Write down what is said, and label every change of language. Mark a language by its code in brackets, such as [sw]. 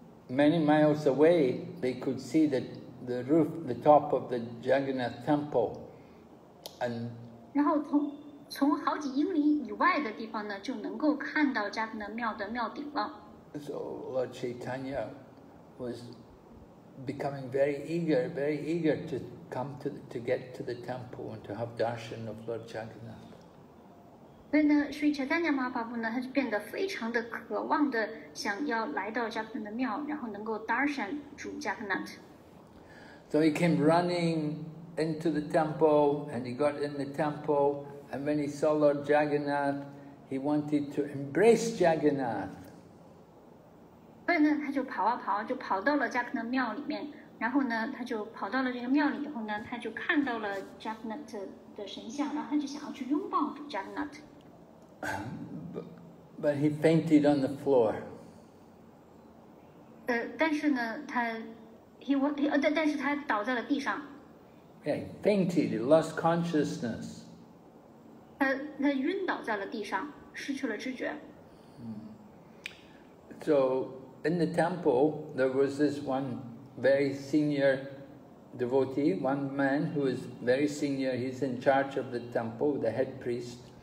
[en] Many miles away, they could see the roof, the top of the Jagannath temple, and. [zh] 然后从好几英里以外的地方呢，就能够看到加格纳庙的庙顶了。 [en] So Lord Chaitanya was becoming very eager to come to get to the temple and to have darshan of Lord Jagannath. [zh] 所以呢，所以查丹尼玛巴布呢，他就变得非常的渴望的，想要来到加克纳的庙，然后能够 darshan 主加克纳。 [en] So he came running into the temple, and he got in the temple, and when he saw Lord Jagannath, he wanted to embrace Jagannath. [zh] 所以呢，他就跑啊跑，就跑到了加克纳庙里面，然后呢，他就跑到了这个庙里以后呢，他就看到了加克纳的神像，然后他就想要去拥抱主加克纳。 [en] But he fainted on the floor. [zh] 但是他倒在了地上。 [en] Yeah, he fainted, he lost consciousness. [zh] 他晕倒在了地上，失去了知觉。 [en] So in the temple, there was this one very senior devotee, one man who is very senior. He's in charge of the temple, the head priest.